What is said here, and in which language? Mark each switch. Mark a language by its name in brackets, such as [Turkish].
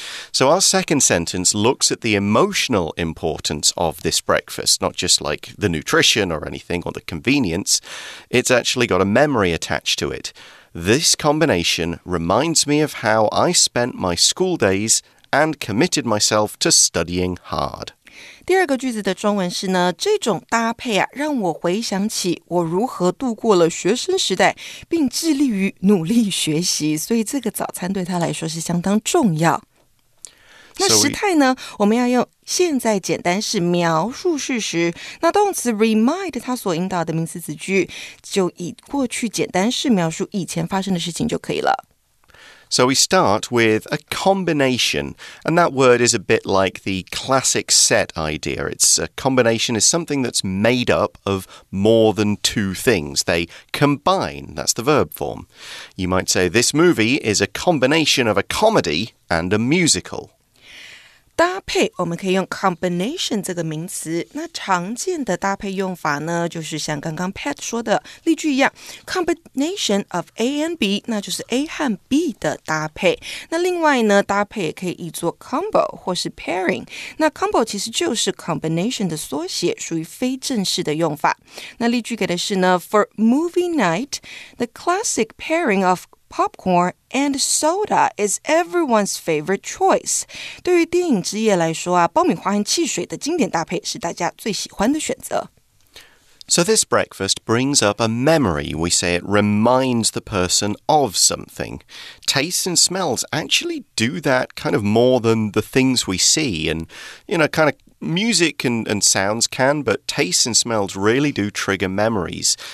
[English] So our second sentence looks at the emotional importance of this breakfast, not just like the nutrition or anything or the convenience. It's actually got a memory attached to it. This combination reminds me of how I spent my school days and committed myself to studying hard. [Chinese] 第二个句子的中文是呢，这种搭配啊，让我回想起我如何度过了学生时代，并致力于努力学习，所以这个早餐对他来说是相当重要。那时态呢，我们要用现在简单式描述事实，那动词 remind 它所引导的名词子句，就以过去简单式描述以前发生的事情就可以了。 [English] So we start with a combination, and that word is a bit like the classic set idea. It's a combination is something that's made up of more than two things. They combine, that's the verb form. You might say this movie is a combination of a comedy and a musical. [Chinese] 搭配我们可以用 combination 这个名词，那常见的搭配用法呢，就是像刚刚 Pat 说的例句一样， [English] combination of A and B， [Chinese] 那就是 A 和 B 的搭配。那另外呢，搭配也可以译作 combo 或是 pairing， 那 combo 其实就是 combination 的缩写，属于非正式的用法。那例句给的是呢， [English] for movie night the classic pairing ofPopcorn and soda is everyone's favorite choice. [Chinese] 对于电影之夜来说啊，爆米花和汽水的经典搭配是大家最喜欢的选择。 [English] So this breakfast brings up a memory. We say it reminds the person of something. Tastes and smells actually do that kind of more than the things we see. And, you know, kind of music and sounds can, but tastes and smells really do trigger memories.